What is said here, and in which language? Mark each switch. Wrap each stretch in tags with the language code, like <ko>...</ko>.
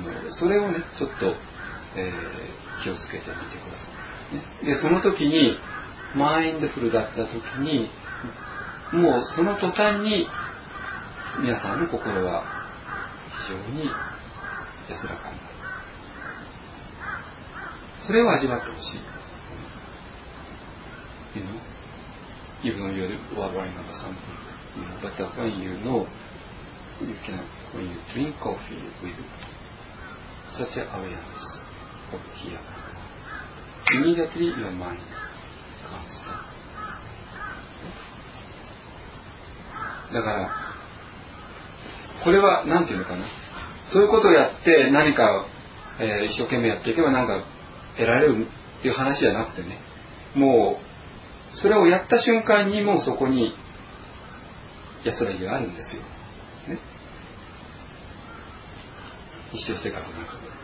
<ja>それをね、ちょっと気をつけてみてください、ね、でその時にマインドフルだった時にもうその途端に皆さんの心は非常に安らかになる。それを味わってほしい。</ja> <en>You know even though you are worrying about something you know, but when you know you can, when you drink coffee with such awareness of hereImmediately your mind comes down.</en> <ja>だからこれは何て言うのかな、そういうことをやって何か、一生懸命やっていけば何か得られるっていう話じゃなくてね、もうそれをやった瞬間にもうそこに安らぎがあるんですよ、ね、一生生活の中で。</ja>